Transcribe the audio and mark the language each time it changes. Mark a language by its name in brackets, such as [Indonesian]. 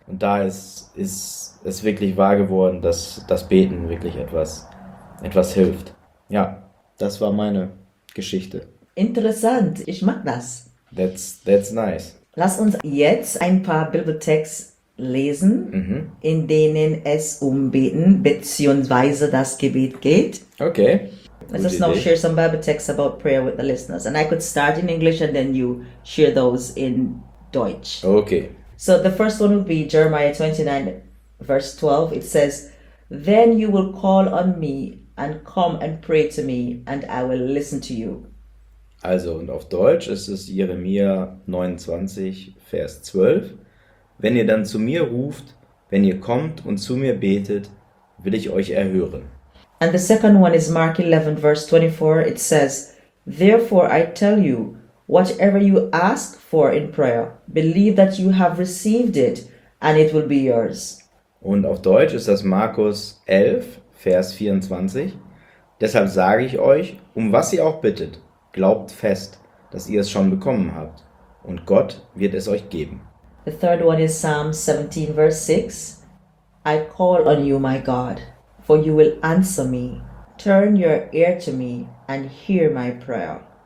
[German] Und da ist es wirklich wahr geworden, dass das Beten wirklich etwas hilft. Ja, das war meine Geschichte. Interessant, ich mag das. [English] That's nice. [German] Lass uns jetzt ein paar Bibeltext lesen, in denen es um Beten bzw. das Gebet geht. [English] Okay. Let us now share some Bible texts about prayer with the listeners. And I could start in English and then you share those in Deutsch. Okay. So the first one would be Jeremiah 29, verse 12. It says, "Then you will call on me and come and pray to me and I will listen to you." [German] Also, und auf Deutsch ist es Jeremia 29, Vers 12. "Wenn ihr dann zu mir ruft, wenn ihr kommt und zu mir betet, will ich euch erhören." [English] And the second one is Mark 11, verse 24. It says, "Therefore I tell you, whatever you ask for in prayer, believe that you have received it, and it will be yours." [German] Und auf Deutsch ist das Markus 11, Vers 24. "Deshalb sage ich euch, um was ihr auch bittet, glaubt fest, dass ihr es schon bekommen habt, und Gott wird es euch geben." [English] The third one is Psalm 17, verse 6. "I call on you, my God, for you will answer me. Turn your ear to me and hear my prayer."